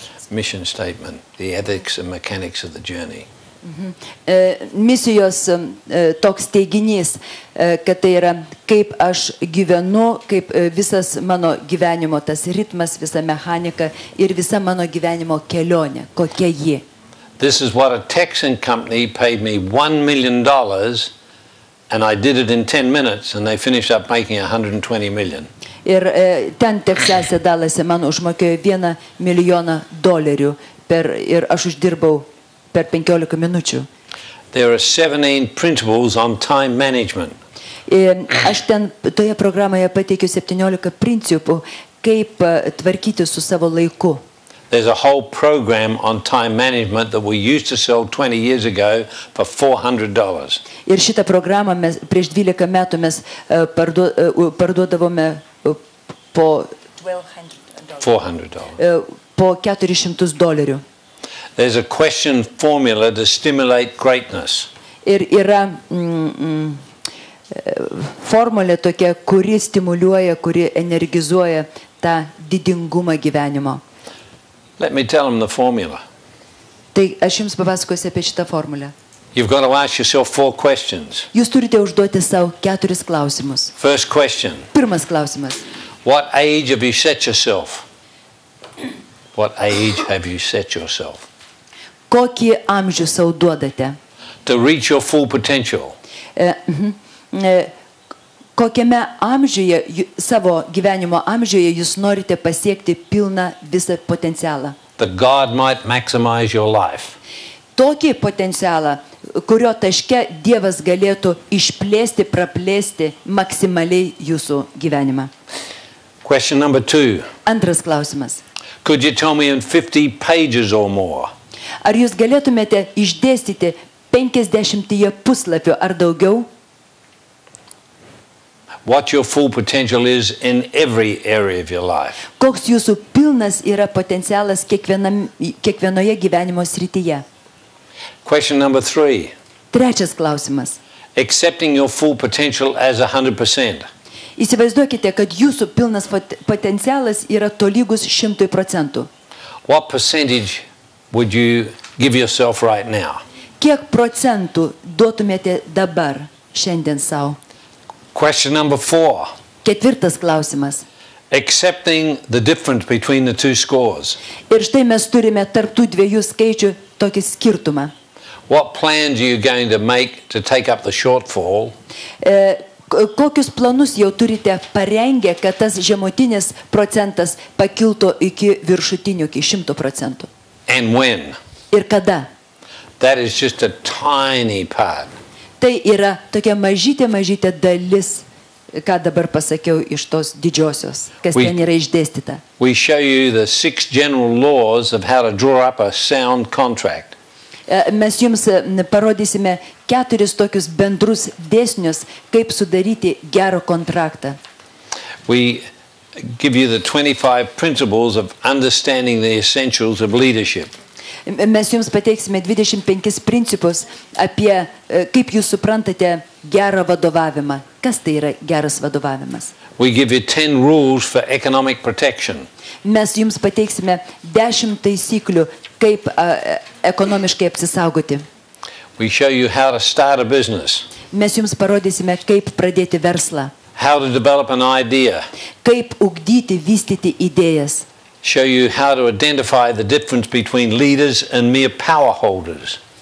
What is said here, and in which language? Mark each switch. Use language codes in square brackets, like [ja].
[en] mission statement, the ethics and mechanics of the journey. [lt] Misijos toks teiginys, kad tai yra kaip aš gyvenu, kaip visas mano gyvenimo tas ritmas, visa mechanika ir visa mano gyvenimo kelionė, kokia ji. [en] This is what a Texan company paid me $1 million and I did it in 10 minutes and they finished up making $120 million. [lt] Ir ten Teksase Dalase man užmokėjo $1 million per ir aš uždirbau per 15 minučių. [en] There are 17 principles on time management. [lt] Aš ten toje programoje pateikiu 17 principų, kaip tvarkyti su savo laiku. [en] There's a whole program on time management that we used to sell 20 years ago for $400. [lt] Ir šitą programą mes prieš 12 metų mes parduodavome po $400. [en] There's a question formula to stimulate greatness. [lt] Ir yra formulė tokia, kuri stimuliuoja, kuri energizuoja tą didingumą gyvenimo. [en] Let me tell them the formula. [lt] Tai aš jums papasakosiu apie šitą formulę. [en] You've got to ask yourself 4 questions. [lt] Jūs turite užduoti sau 4 klausimus. [en] First question. [lt] Pirmas klausimas. [en] What age have you set yourself? What age have you set yourself? [lt] Kokį amžių sau duodate? [en] To reach your full potential. [lt] Kokiame amžiuje, savo gyvenimo amžiuje, jūs norite pasiekti pilną visą potencialą? [en] That God might maximize your life. [lt] Tokį potencialą, kurio taške Dievas galėtų išplėsti, praplėsti maksimaliai jūsų gyvenimą. [en] Question number 2. [lt] Antras klausimas. [en] Could you tell me in 50 pages or more? [lt] Ar jūs galėtumėte išdėstyti 50 puslapių ar daugiau? [en] what your full potential is in every area of your life. [lt] Koks jūsų pilnas yra potencialas kiekvienoje gyvenimo srityje. [en] Question number three. [lt] Trečias klausimas. [en] Accepting your full potential as 100%. [lt] Įsivaizduokite, kad jūsų pilnas potencialas yra tolygus 100%. [en] What percentage would you give yourself right now? [lt] Kiek procentų duotumėte dabar šiandien sau? [en] Question number four. [lt] Ketvirtas klausimas. [en] Accepting the difference between the two scores. [lt] Ir štai mes turime tarp tų dviejų skaičių tokį skirtumą. [en] What plans are you going to make to take up the shortfall? [lt] Kokius planus jau turite parengę, kad tas žemutinis procentas pakiltų iki viršutinio, iki 100%? [en] And when? [lt] Ir kada? [en] That is just a tiny part. [lt] Tai yra tokia mažytė dalis, ką dabar pasakiau iš tos didžiosios, kas ten yra išdėstyta. [en] We show you the six general laws of how to draw up a sound contract. [lt] Mes jums parodysime keturis tokius bendrus dėsnius, kaip sudaryti gerą kontraktą. [en] We give you the 25 principles of understanding the essentials of leadership. [lt] Mes jums pateiksime 25 principus apie, kaip jūs suprantate, gerą vadovavimą. Kas tai yra geras vadovavimas? [en] We give you 10 rules for economic protection. [lt] Mes jums pateiksime 10 taisyklių, kaip ekonomiškai apsisaugoti. [en] We show you how to start a business. [lt] Mes jums parodysime, kaip pradėti verslą. [en] How to develop an idea. [lt] Kaip ugdyti, vystyti idėjas. [en] Show you how to identify the difference between leaders and mere power holders.